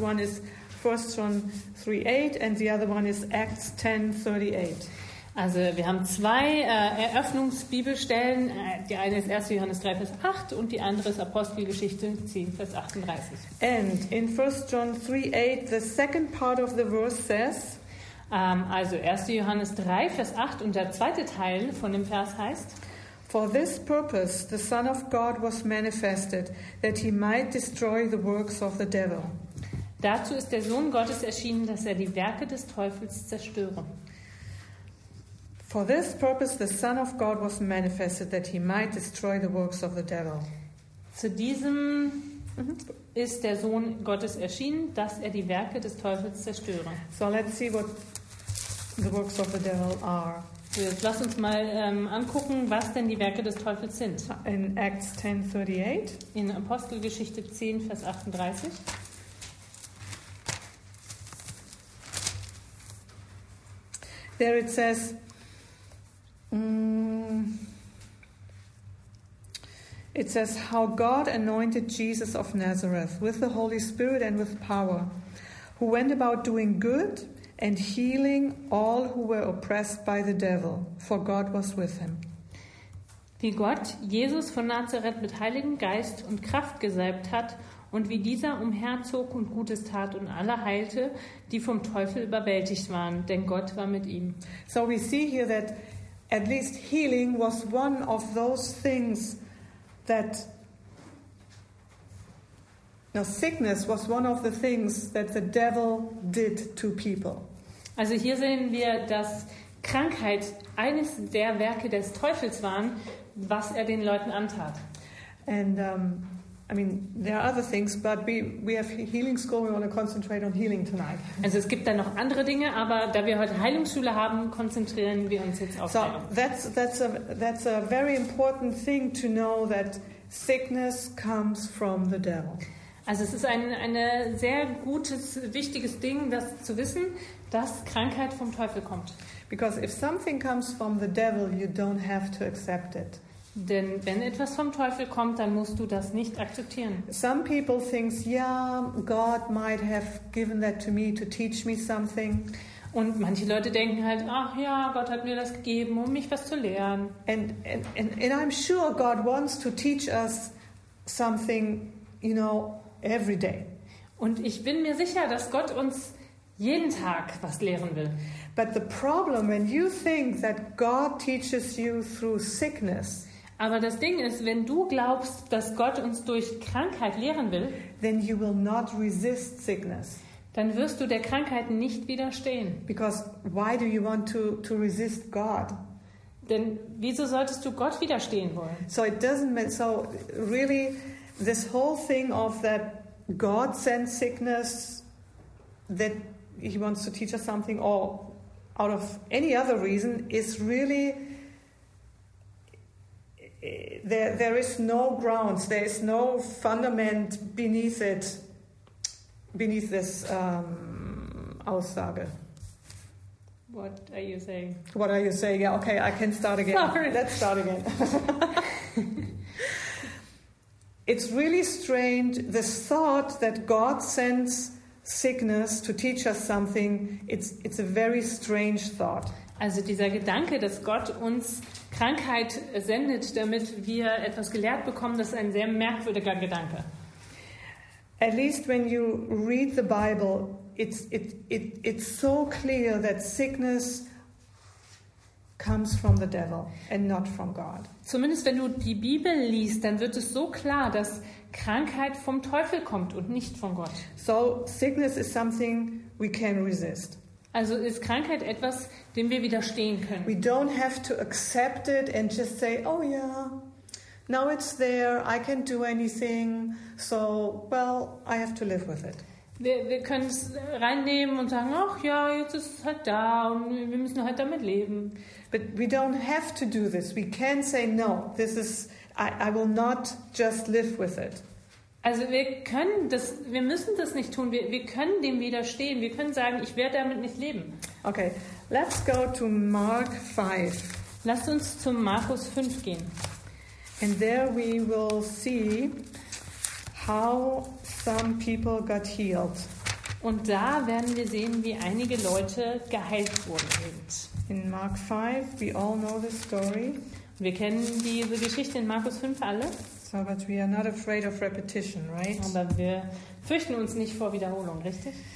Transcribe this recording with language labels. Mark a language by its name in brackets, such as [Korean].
[English] One is 1 John 3, 8 and the other one is Acts 10, 38. [German] Also wir haben zwei Eröffnungsbibelstellen. Die eine ist 1. Johannes 3, Vers 8 und die andere ist Apostelgeschichte 10, Vers 38. [English] And in 1. John 3, 8, the second part of the verse says, [German] also 1. Johannes 3, Vers 8 und der zweite Teil von dem Vers heißt, [English] for this purpose the Son of God was manifested, that he might destroy the works of the devil. [German] Dazu ist der Sohn Gottes erschienen, dass er die Werke des Teufels zerstöre. [English] For this purpose the Son of God was manifested, that he might destroy the works of the devil. [German] Zu diesem ist der Sohn Gottes erschienen, dass er die Werke des Teufels zerstöre. [English] So let's see what the works of the devil are. [German] Jetzt lass uns mal angucken, was denn die Werke des Teufels sind. [English] In Acts 10, 38. [German] In Apostelgeschichte 10, Vers 38. [English] There it says, it says how God anointed Jesus of Nazareth with the Holy Spirit and with power, who went about doing good and healing all who were oppressed by the devil, for God was with him. [German] Wie Gott Jesus von Nazareth mit Heiligen Geist und Kraft gesalbt hat und wie dieser umherzog und Gutes tat und alle heilte, die vom Teufel überwältigt waren, denn Gott war mit ihm. [English] So we see here that at least healing was one of those things that, now sickness was one of the things that the devil did to people. [German] Also hier sehen wir, dass Krankheit eines der Werke des Teufels waren, was er den Leuten antat. [English] And I mean, there are other things, but we have healing school. We want to concentrate on healing tonight. [German] Also, es gibt da noch andere Dinge, aber da wir heute Heilungsschule haben, konzentrieren wir uns jetzt auf Heilung. [English] So that's a very important thing to know, that sickness comes from the devil. [German] Also, es ist eine sehr gutes, wichtiges Ding, das zu wissen, dass Krankheit vom Teufel kommt. [English] Because if something comes from the devil, you don't have to accept it. [German] Denn wenn etwas vom Teufel kommt, dann musst du das nicht akzeptieren. [English] Some people think, yeah, God might have given that to me to teach me something. [German] Und manche Leute denken halt, ach ja, Gott hat mir das gegeben, um mich was zu lernen. [English] And I'm sure God wants to teach us something, you know, every day. [German] Und ich bin mir sicher, dass Gott uns jeden Tag was lehren will. [English] But the problem when you think that God teaches you through sickness. [German] Aber das Ding ist, wenn du glaubst, dass Gott uns durch Krankheit lehren will, [English] then you will not resist sickness. [German] Dann wirst du der Krankheit nicht widerstehen. [English] Because why do you want to resist God? [German] Denn wieso solltest du Gott widerstehen wollen? [English] So it doesn't mean, so really this whole thing of that God sends sickness, that he wants to teach us something, or out of any other reason, is really, There is no grounds, there is no fundament beneath it, beneath this Aussage. What are you saying? What are you saying? Yeah, okay, I can start again. Sorry. Let's start again. It's really strange, this thought that God sends sickness to teach us something, it's a very strange thought. [German] Also dieser Gedanke, dass Gott uns Krankheit sendet, damit wir etwas gelehrt bekommen, das ist ein sehr merkwürdiger Gedanke. [English] At least when you read the Bible, it's so clear that sickness comes from the devil and not from God. [German] Zumindest wenn du die Bibel liest, dann wird es so klar, dass Krankheit vom Teufel kommt und nicht von Gott. [English] So sickness is something we can resist. [German] Also ist Krankheit etwas, dem wir widerstehen können. [English] We don't have to accept it and just say, oh yeah, now it's there, I can't do anything, so, well, I have to live with it. [German] Wir können es reinnehmen und sagen, ach ja, jetzt ist es halt da und wir müssen halt damit leben. [English] But we don't have to do this. We can say no. This is I will not just live with it. [German] Also wir können das, wir müssen das nicht tun. Wir können dem widerstehen. Wir können sagen, ich werde damit nicht leben. [English] Okay, let's go to Mark 5. [German] Lasst uns zum Markus 5 gehen. [English] And there we will see how some people got healed. [German] Und da werden wir sehen, wie einige Leute geheilt wurden. [English] In Mark 5, we all know the story. [German] Wir kennen diese Geschichte in Markus 5 alle. [English] So, but we are not afraid of repetition, right? [German] Aber wir fürchten uns nicht vor Wiederholung, richtig?